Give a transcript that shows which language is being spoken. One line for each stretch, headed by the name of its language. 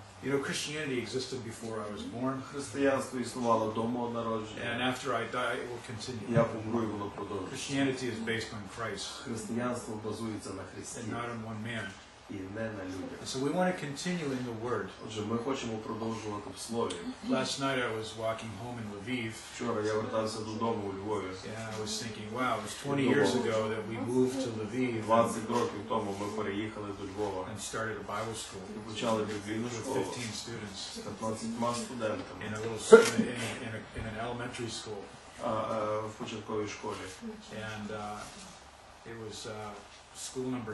English: You know, Christianity existed before I was born.
Ukrainian: Християнство існувало до мого народження.
English: And after I die, it will continue.
Ukrainian: Я помру, і воно продовжиться.
English: Christianity is based on Christ.
Ukrainian: Християнство базується на Христі.
English: And not on one man.
Ukrainian: І не на людях.
English: So we want to continue in the Word.
Ukrainian: Отже, ми хочемо продовжувати в Слові.
English: Last night I was walking home in Lviv.
Ukrainian: Вчора я вертався додому у Львові.
English: And I was thinking, wow, it was 20 years ago that we moved to Lviv.
Ukrainian: 20 років тому ми переїхали до Львова.
English: And started a Bible school.
Ukrainian: І почали біблійну школу.
English: With 15 students.
Ukrainian: З 15 студентами.
English: In a little school, in an elementary school.
Ukrainian: В початковій школі.
English: And it was school number